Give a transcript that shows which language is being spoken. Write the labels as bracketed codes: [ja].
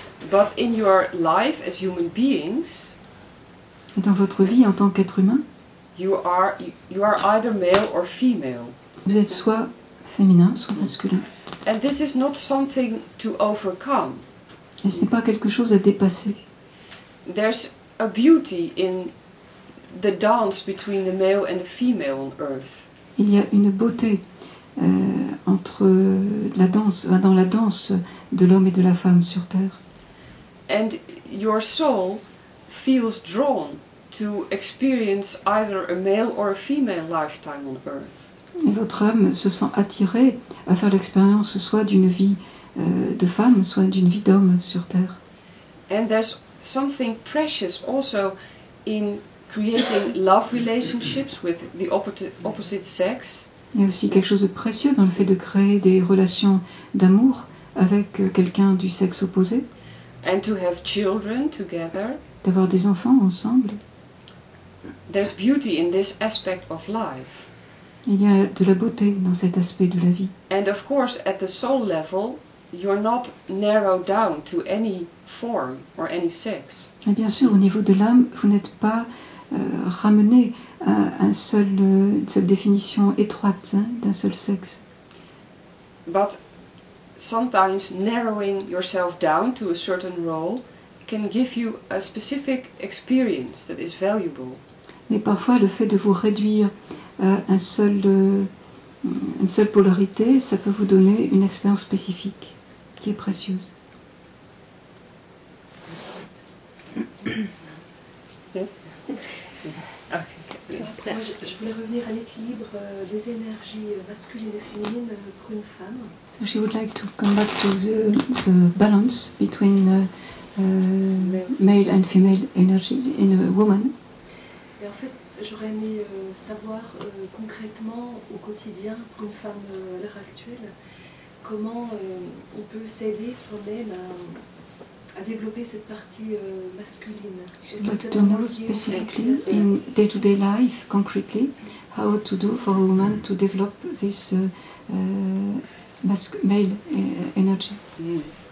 [en] But in your life as human beings, [fr] dans votre vie en tant qu'être humain, [en] you are either male or female. [fr] Vous êtes soit féminin, soit masculin. [en] And this is not something to overcome. [fr] Et ce n'est pas quelque chose à dépasser. [en] There's a beauty in the dance between the male and the female on earth. [fr] Il y a une beauté entre la danse, dans la danse de l'homme et de la femme sur terre. [en] And your soul feels drawn to experience either a male or a female lifetime on earth. [fr] Et votre âme se sent attirée à faire l'expérience soit d'une vie de femme, soit d'une vie d'homme sur terre. [en] And there's something precious also in creating love relationships with the opposite sex. [fr] Il y a aussi quelque chose de précieux dans le fait de créer des relations d'amour avec quelqu'un du sexe opposé. [en] And to have children together. [fr] D'avoir des enfants ensemble. [en] There's beauty in this aspect of life. [fr] Il y a de la beauté dans cet aspect de la vie. [en] And of course, at the soul level, you're not narrowed down to any form or any sex. [fr] Et bien sûr, au niveau de l'âme, vous n'êtes pas ramené à une seule définition étroite d'un seul sexe. [en] But sometimes narrowing yourself down to a certain role can give you a specific experience that is valuable. [fr] Mais parfois, le fait de vous réduire à une seule polarité, ça peut vous donner une expérience spécifique qui est précieuse. [en] Yes. Okay. [fr] Après, je voulais revenir à l'équilibre des énergies masculines et féminines pour une femme. [en] She would like to come back to the balance between male and female energies in a woman. [fr] Et en fait, j'aurais aimé savoir concrètement au quotidien pour une femme à l'heure actuelle comment on peut s'aider soi-même à développer cette partie masculine. [en] But to know specifically in day-to-day life, concretely, how to do for a woman to develop this male energy.